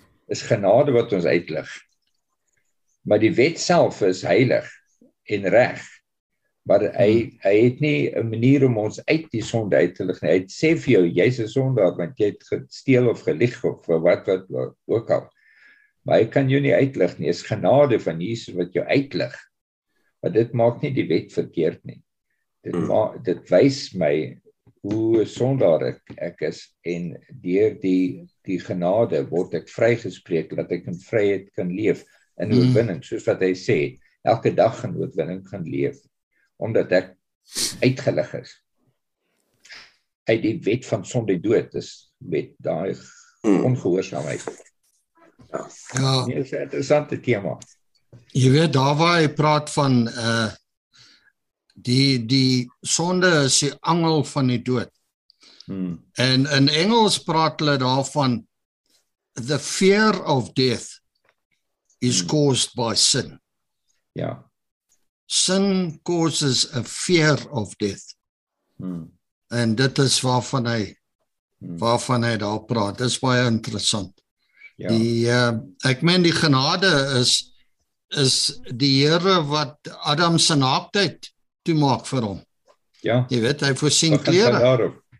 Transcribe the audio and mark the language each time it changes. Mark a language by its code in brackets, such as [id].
[af] Is genade wat ons uitlig. Maar die wet self is heilig en reg. Maar hy het nie 'n manier om ons uit die sonde uit te lig nie. Hy sê vir jou, jy's 'n sondaar, want jy het gesteel of gelieg of wat ook al. Maar hy kan jou nie uitlig nie. Is genade van Jesus wat jou uitlig. Maar dit maak nie die wet verkeerd nie. Dit wys my hoe sondaar ek is. En deur die genade word ek vrygespreek, dat ek in vryheid kan leef, in oorwinning, soos wat hy sê, elke dag in oorwinning gaan leef. Omdat ek uitgelig is. Uit die wet van sonde en dood is met daai ongehoorsaamheid. Ja. Nee, is 'n interessante tema. Jy weet, daar waar hy praat van die sonde is die angel van die dood. En in Engels praat hulle daarvan [en] the fear of death is caused by sin. [af] Ja. [en] Sin causes a fear of death. [af] En dit is waarvan hy daar praat. Dis baie interessant. Ja. Ek meen die genade is die Here wat Adam se naaktheid toemaak vir hom. Ja. Jy weet, hy voorsien klere.